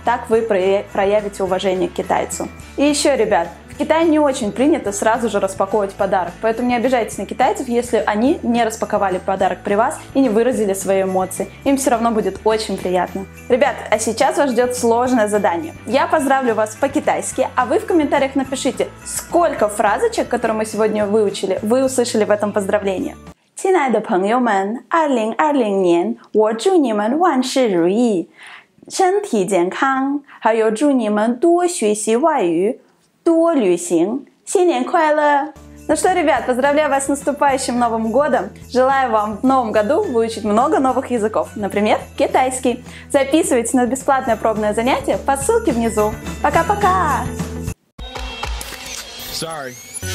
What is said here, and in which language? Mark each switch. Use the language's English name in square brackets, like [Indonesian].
[Russian] Так вы проявите уважение к китайцу. И еще, ребят, в Китае не очень принято сразу же распаковывать подарок, поэтому не обижайтесь на китайцев, если они не распаковали подарок при вас и не выразили свои эмоции. Им все равно будет очень приятно. Ребят, а сейчас вас ждет сложное задание. Я поздравлю вас по-китайски, а вы в комментариях напишите, сколько фразочек, которые мы сегодня выучили, вы услышали в этом поздравлении. [Chinese] 亲爱的朋友们, 2020年, 我祝你们万事如意, 身体健康, 还有祝你们多学习外语, 多旅行, 新年快乐! [Russian] Ну что, ребят, поздравляю вас с наступающим Новым годом! Желаю вам в новом году выучить много новых языков, например, китайский. Записывайтесь на бесплатное пробное занятие по ссылке внизу. Пока-пока! [English] Sorry.